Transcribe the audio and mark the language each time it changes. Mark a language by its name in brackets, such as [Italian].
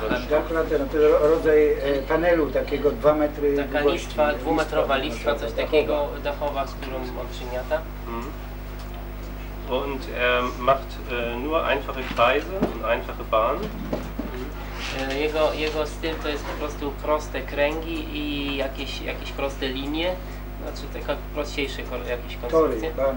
[Polish] Dachlatę, no to rodzaj panelu takiego 2 metry taka długości, listwa, dwumetrowa listwa, coś dachowa. Takiego dachowa, z którą on przymiata. [German] Und er macht nur einfache Kreise und einfache Bahnen. [Polish] Jego styl to jest po prostu proste kręgi i jakieś proste linie, znaczy taka prostsze jakieś konstrukcje.